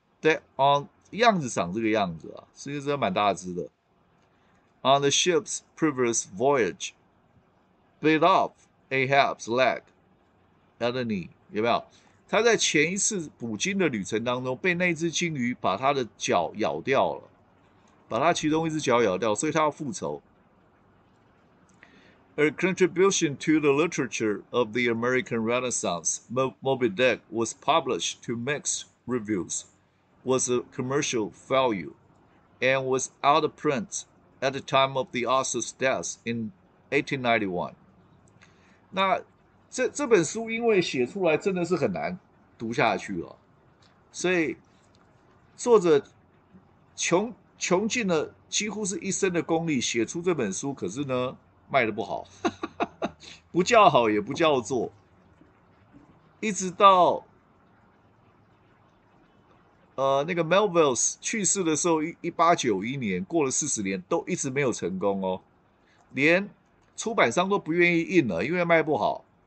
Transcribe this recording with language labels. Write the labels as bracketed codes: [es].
[zh] 对，样子长这个样子啊，其实蛮大只的。 [en] On the ship's previous voyage， split off Ahab's leg， [zh] 他的你有没有？他在前一次捕鲸的旅程当中，被那只鲸鱼把他的脚咬掉了，把他其中一只脚咬掉，所以他要复仇。 [en] A contribution to the literature of the American Renaissance, Moby Dick was published to mixed reviews, was a commercial failure, and was out of print at the time of the author's death in 1891. [zh] 那这本书因为写出来真的是很难读下去了，所以作者穷尽了几乎是一生的功力写出这本书，可是呢？卖得不好 不叫好也不叫座，一直到那个 Melville's 去世的时候，1891年，过了40年，都一直没有成功哦，连出版商都不愿意印了，因为卖不好。